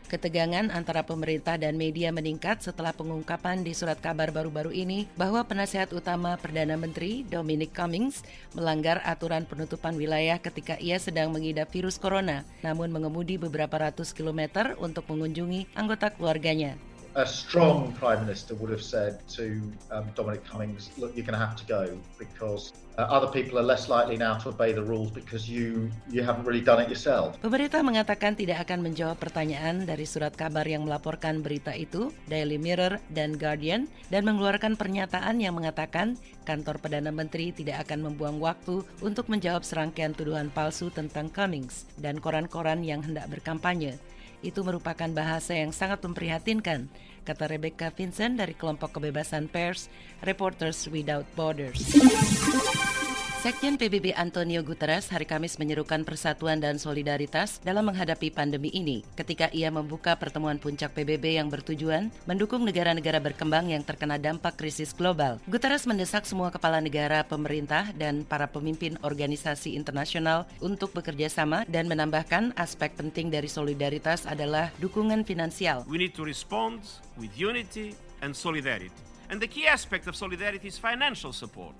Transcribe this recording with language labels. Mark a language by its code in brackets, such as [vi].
[id] Ketegangan antara pemerintah dan media meningkat setelah pengungkapan di surat kabar baru-baru ini bahwa penasihat utama Perdana Menteri, Dominic Cummings, melanggar aturan penutupan wilayah ketika ia sedang mengidap virus corona, namun mengemudi beberapa ratus kilometer untuk mengunjungi anggota keluarganya. [en] A strong prime minister would have said to Dominic Cummings, look, you're going to have to go because other people are less likely now to obey the rules because you haven't really done it yourself. [id] Pemerintah mengatakan tidak akan menjawab pertanyaan dari surat kabar yang melaporkan berita itu, Daily Mirror dan Guardian, dan mengeluarkan pernyataan yang mengatakan kantor Perdana Menteri tidak akan membuang waktu untuk menjawab serangkaian tuduhan palsu tentang Cummings dan koran-koran yang hendak berkampanye. Itu merupakan bahasa yang sangat memprihatinkan, kata Rebecca Vincent dari kelompok kebebasan pers Reporters Without Borders. Sekjen PBB Antonio Guterres hari Kamis menyerukan persatuan dan solidaritas dalam menghadapi pandemi ini ketika ia membuka pertemuan puncak PBB yang bertujuan mendukung negara-negara berkembang yang terkena dampak krisis global. Guterres mendesak semua kepala negara, pemerintah, dan para pemimpin organisasi internasional untuk bekerja sama dan menambahkan aspek penting dari solidaritas adalah dukungan finansial. [en] We need to respond with unity and solidarity. And the key aspect of solidarity is financial support.